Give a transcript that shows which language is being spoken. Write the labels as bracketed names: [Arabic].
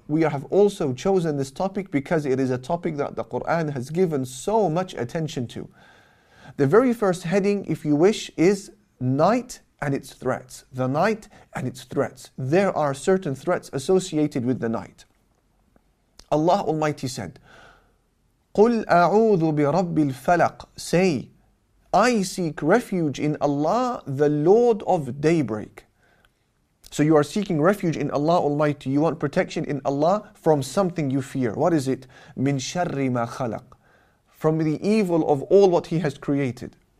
[English] We have also chosen this topic because it is a topic that the Quran has given so much attention to. The very first heading, if you wish, is night and its threats. The night and its threats. There are certain threats associated with the night. Allah Almighty said, [Arabic] قُلْ أَعُوذُ بِرَبِّ الْفَلَقِ. [English] Say, I seek refuge in Allah, the Lord of daybreak. So you are seeking refuge in Allah Almighty. You want protection in Allah from something you fear. What is it? [Arabic] مِن شَرِّ مَا خَلَقْ. [English] From the evil of all what He has created.